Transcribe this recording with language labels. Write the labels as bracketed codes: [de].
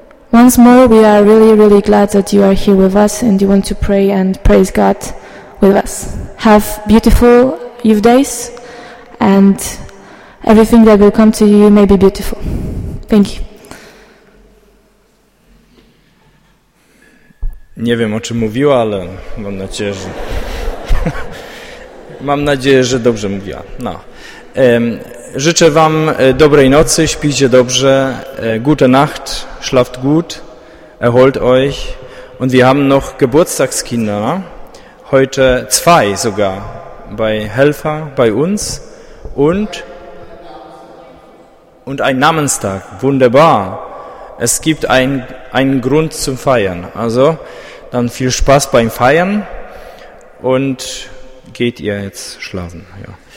[en] Once more, we are really, really glad that you are here with us and you want to pray and praise God with us. Have beautiful youth days and everything that will come to you may be beautiful. Thank you. [pl] Nie wiem, o czym mówiła, ale mam nadzieję, że... mam nadzieję, że dobrze mówiła. No. Życzę wam dobrej nocy, śpijcie dobrze, [de] gute Nacht, schlaft gut, erholt euch. Und wir haben noch Geburtstagskinder, heute zwei sogar, bei Helfer, bei uns. Und ein Namenstag, wunderbar. Es gibt einen Grund zum Feiern. Also, dann viel Spaß beim Feiern und geht ihr jetzt schlafen, ja.